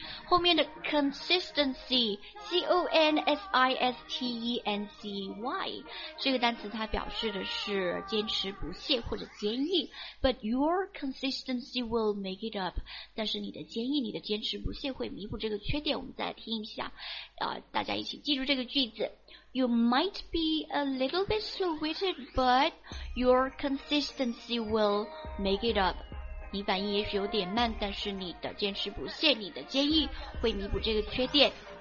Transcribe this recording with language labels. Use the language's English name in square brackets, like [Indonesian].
[Chinese] 后面的 consistency, C-O-N-S-I-S-T-E-N-C-Y, 这个单词它表示的是坚持不懈或者坚毅。 [English] But your consistency will make it up. [Chinese] 但是你的坚毅、你的坚持不懈会弥补这个缺点。我们再听一下，大家一起记住这个句子。 [English] You might be a little bit slow-witted, but your consistency will make it up. [Chinese] 你反应也许有点慢，但是你的坚持不懈，你的坚毅会弥补这个缺点。